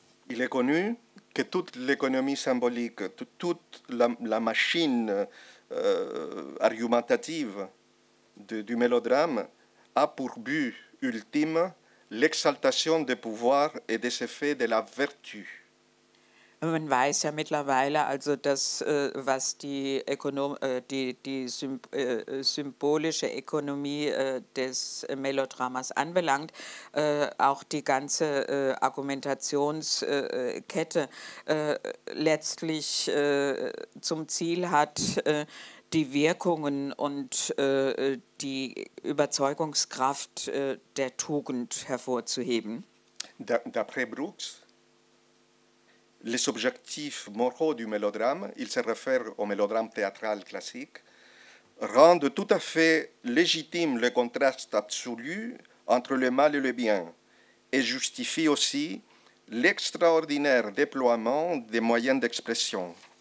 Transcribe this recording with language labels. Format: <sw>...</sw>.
<fr>Il est connu que toute l'économie symbolique, toute la machine argumentative du mélodrame a pour but ultime l'exaltation des pouvoirs et des effets de la vertu.</fr> <de>Man weiß ja mittlerweile, also das, was die, symbolische Ökonomie des Melodramas anbelangt, auch die ganze Argumentationskette letztlich zum Ziel hat, die Wirkungen und die Überzeugungskraft der Tugend hervorzuheben.</de> <fr>D'après Brooks, les objectifs moraux du mélodrame, il se réfère au mélodrame théâtral classique, rendent tout à fait légitime le contraste absolu entre le mal et le bien, et justifient aussi l'extraordinaire déploiement des moyens d'expression.</fr>